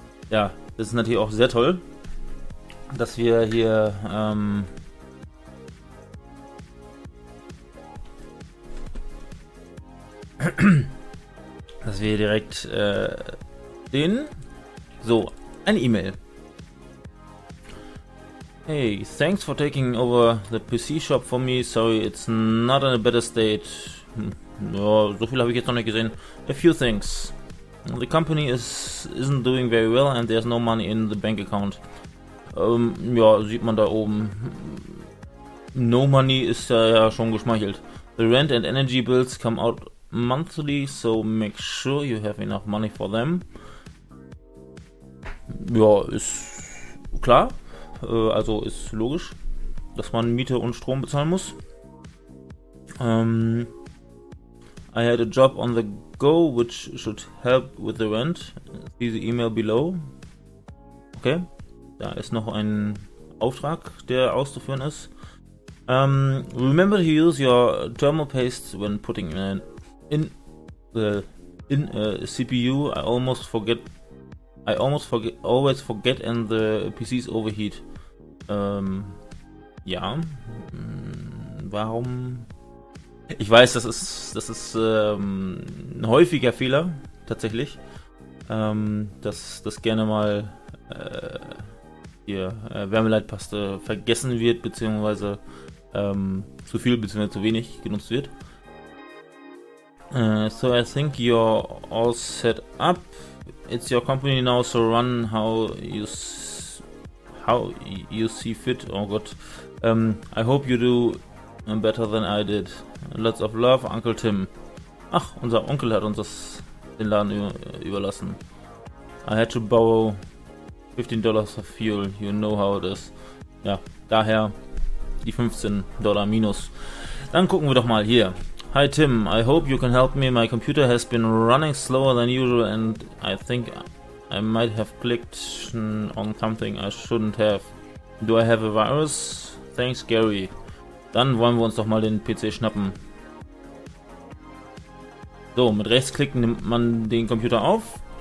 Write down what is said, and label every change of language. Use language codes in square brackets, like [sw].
[de] Ja, das ist natürlich auch sehr toll, dass wir hier dass wir direkt den. So, eine E-Mail. [en] Hey, thanks for taking over the PC shop for me. Sorry, it's not in a better state. [de] Ja, so viel habe ich jetzt noch nicht gesehen. [en] A few things. The company isn't doing very well and there's no money in the bank account. [de] Ja, sieht man da oben. [en] No money [de] ist ja schon geschmeichelt. [en] The rent and energy bills come out monthly, so make sure you have enough money for them. [de] Ja, ist klar. Also ist logisch, dass man Miete und Strom bezahlen muss. [en] I had a job on the go, which should help with the rent. See the email below. [de] Okay, da ist noch ein Auftrag, der auszuführen ist. [en] Remember to use your thermal paste when putting in a CPU. Always forget and the PCs overheat. [de] Ja, warum? Ich weiß, das ist ein häufiger Fehler, tatsächlich, dass das gerne mal hier Wärmeleitpaste vergessen wird, beziehungsweise zu viel, beziehungsweise zu wenig genutzt wird. [en] So, I think you're all set up. It's your company now, so run how you see fit. [de] Oh Gott. [en] I hope you do better than I did. Lots of love, Uncle Tim. [de] Ach, unser Onkel hat uns den Laden überlassen. [en] I had to borrow $15 of fuel. You know how it is. [de] Ja, daher die $15 minus. Dann gucken wir doch mal hier. [en] Hi Tim, I hope you can help me. My computer has been running slower than usual and I think I might have clicked on something I shouldn't have. Do I have a virus? Thanks, Gary. [de] Dann wollen wir uns doch mal den PC schnappen. So, mit Rechtsklick nimmt man den Computer auf.